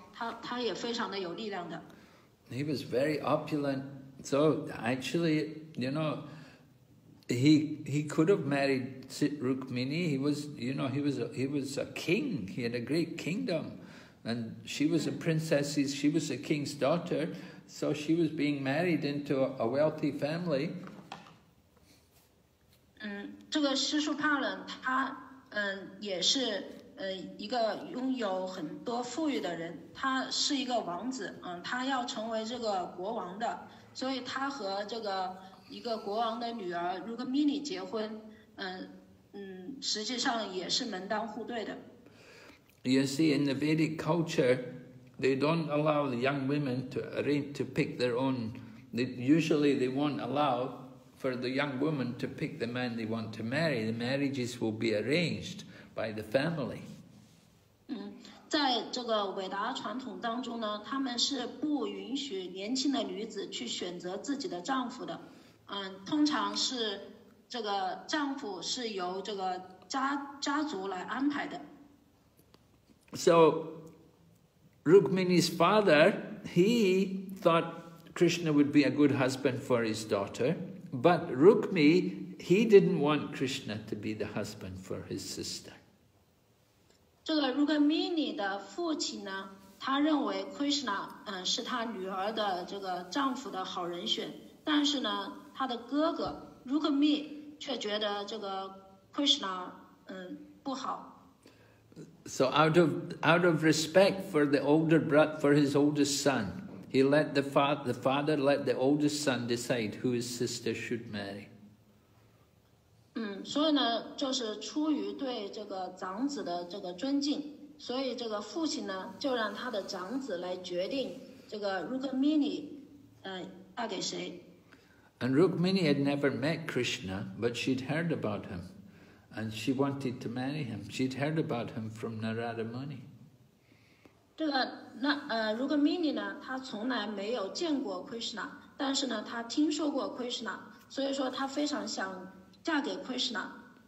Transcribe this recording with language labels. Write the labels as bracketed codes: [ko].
[zh] 你要知道，这个Sishupala他也是一个非常有力量的人物。他拥有大量的财富。他身体非常的强壮。他也是一个国王。他也非常的有力量的。 [en] He was very opulent. So actually, you know, he could have married Rukmini. He was a king. He had a great kingdom, and she was a princess. She was a king's daughter, so she was being married into a wealthy family. [zh] 这个施术帕伦他也是一个拥有很多富裕的人。他是一个王子，他要成为这个国王的。所以他和这个一个国王的女儿Rukmini结婚，实际上也是门当户对的。 [en] You see, in the Vedic culture, they don't allow the young women to pick their own. Usually they won't allow for the young woman to pick the man they want to marry. The marriages will be arranged by the family. [zh] 在这个韦达传统当中呢，他们是不允许年轻的女子去选择自己的丈夫的。嗯，通常是这个丈夫是由这个家族来安排的。 [en] So Rukmini's father, he thought Krishna would be a good husband for his daughter, but Rukmi, he didn't want Krishna to be the husband for his sister. [zh] 这个 Rukmini 的父亲呢，他认为 Krishna 是他女儿的这个丈夫的好人选，但是呢，他的哥哥 Rukmi 却觉得这个 Krishna 不好。 [en] So out of respect for the older brother, for his oldest son, he let the father let the oldest son decide who his sister should marry. [zh] 所以呢，就是出于对这个长子的这个尊敬，所以这个父亲呢，就让他的长子来决定这个 Rukmini, 嫁给谁。 [en] And Rukmini had never met Krishna, but she'd heard about him. And she wanted to marry him. She'd heard about him from Narada Muni. [zh] 这个那Rukmini 呢，她从来没有见过 Krishna， 但是呢，她听说过 Krishna， 所以说她非常想嫁给 Krishna。